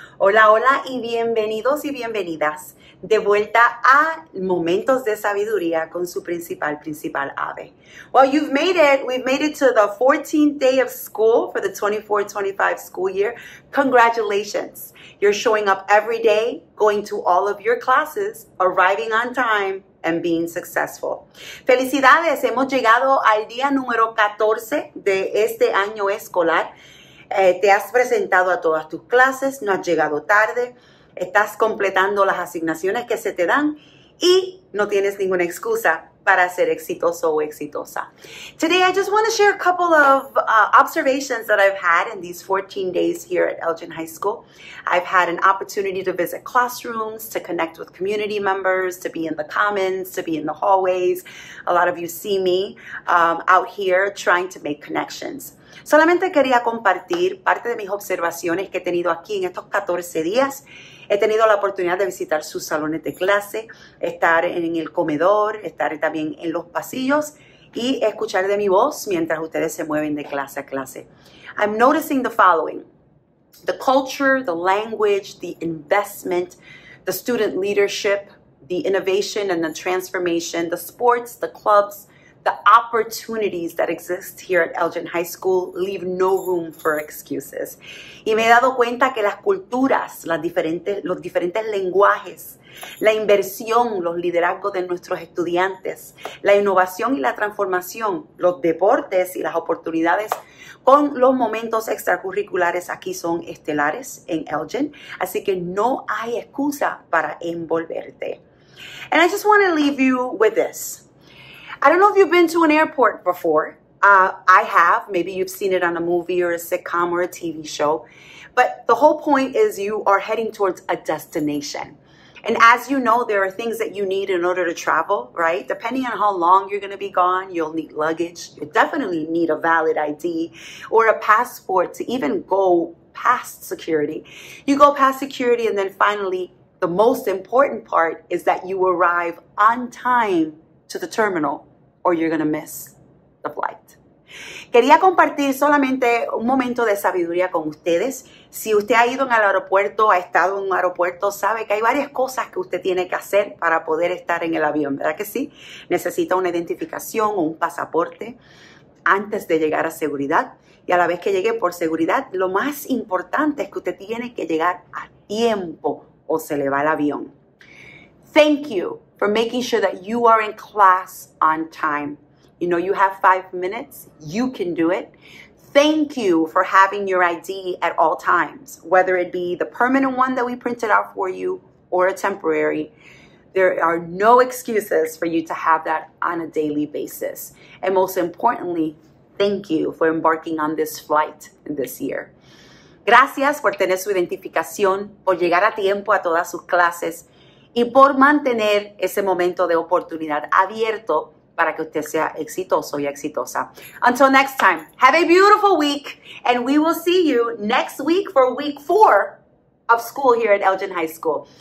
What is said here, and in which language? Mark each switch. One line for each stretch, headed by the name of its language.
Spanish: Hola, hola, y bienvenidos y bienvenidas de vuelta a Momentos de Sabiduría con su principal, principal Ave.
English: Well, you've made it. We've made it to the 14th day of school for the 24-25 school year. Congratulations. You're showing up every day, going to all of your classes, arriving on time, and being successful.
Spanish: Felicidades, hemos llegado al día número 14 de este año escolar. Te has presentado a todas tus clases, no has llegado tarde, estás completando las asignaciones que se te dan y no tienes ninguna excusa para ser exitoso o exitosa.
English: Today, I just want to share a couple of observations that I've had in these 14 days here at Elgin High School. I've had an opportunity to visit classrooms, to connect with community members, to be in the commons, to be in the hallways. A lot of you see me out here trying to make connections.
Spanish: Solamente quería compartir parte de mis observaciones que he tenido aquí en estos 14 días. He tenido la oportunidad de visitar sus salones de clase, estar en el comedor, estar también en los pasillos y escuchar de mi voz mientras ustedes se mueven de clase a clase.
English: I'm noticing the following. The culture, the language, the investment, the student leadership, the innovation and the transformation, the sports, the clubs, the opportunities that exist here at Elgin High School leave no room for excuses.
Spanish: Y me he dado cuenta que las culturas, los diferentes lenguajes, la inversión, los liderazgos de nuestros estudiantes, la innovación y la transformación, los deportes y las oportunidades con los momentos extracurriculares aquí son estelares en Elgin. Así que no hay excusa para envolverte.
English: And I just want to leave you with this. I don't know if you've been to an airport before. I have. Maybe you've seen it on a movie or a sitcom or a TV show. But the whole point is you are heading towards a destination. And as you know, there are things that you need in order to travel, right? Depending on how long you're going to be gone, you'll need luggage. You definitely need a valid ID or a passport to even go past security. You go past security and then finally, the most important part is that you arrive on time to the terminal, or you're gonna miss the flight.
Spanish: Quería compartir solamente un momento de sabiduría con ustedes. Si usted ha ido en el aeropuerto, ha estado en un aeropuerto, sabe que hay varias cosas que usted tiene que hacer para poder estar en el avión, ¿verdad que sí? Necesita una identificación o un pasaporte antes de llegar a seguridad. Y a la vez que llegue por seguridad, lo más importante es que usted tiene que llegar a tiempo o se le va el avión.
English: Thank you for making sure that you are in class on time. You know you have 5 minutes, you can do it. Thank you for having your ID at all times, whether it be the permanent one that we printed out for you or a temporary. There are no excuses for you to have that on a daily basis. And most importantly, thank you for embarking on this flight this year.
Spanish: Gracias por tener su identificación, por llegar a tiempo a todas sus clases, y por mantener ese momento de oportunidad abierto para que usted sea exitoso y exitosa.
English: Until next time, have a beautiful week, and we will see you next week for week 4 of school here at Elgin High School.